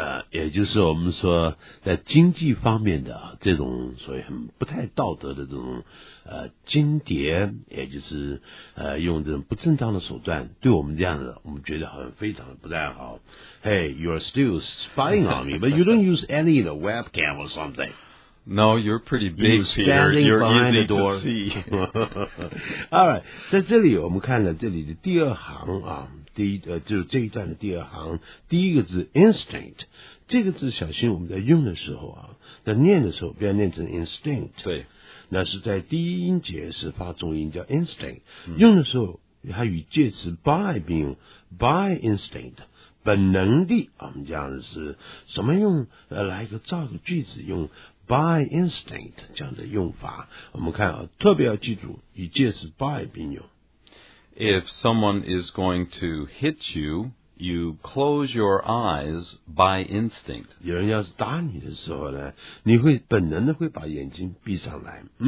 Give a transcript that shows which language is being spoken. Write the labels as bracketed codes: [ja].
[zh] 也就是我们说在经济方面的这种所谓很不太道德的这种间谍，也就是用这种不正当的手段对我们这样子，我们觉得好像非常的不太好。 [en] Hey, you're still spying on me, but you don't use any of the webcam or something. No, you're pretty big, Peter. You're easy to see. All right. [zh] 在这里我们看了这里的第二行啊，就是这一段的第二行，第一个字 instinct， 这个字小心我们在用的时候啊，在念的时候不要念成 instinct。对。那是在第一音节是发重音叫 instinct。用的时候它与介词 by 并用 by instinct。本能的我们讲的是什么用来一个造个句子用By instinct, 这样的用法，我们看啊，特别要记住，与介词 by 并用。 [en] If someone is going to hit you, you close your eyes by instinct. [zh] 有人要是打你的时候呢，你会本能的会把眼睛闭上来。